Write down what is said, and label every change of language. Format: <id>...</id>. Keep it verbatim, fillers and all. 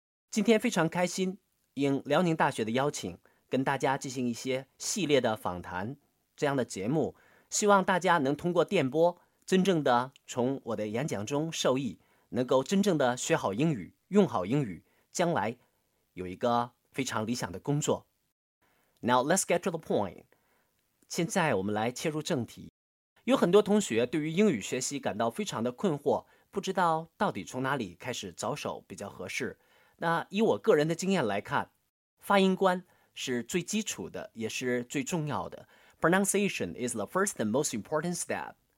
<zh>今天非常开心，应辽宁大学的邀请，跟大家进行一些系列的访谈这样的节目，希望大家能通过电波真正的从我的演讲中受益，能够真正的学好英语，用好英语，将来有一个非常理想的工作。</zh> <en>Now let's get to the point，</en> <zh>现在我们来切入正题。有很多同学对于英语学习感到非常的困惑，不知道到底从哪里开始着手比较合适。那以我个人的经验来看，发音观是最基础的，也是最重要的。</zh> <en>Pronunciation is the first and most important step。</en>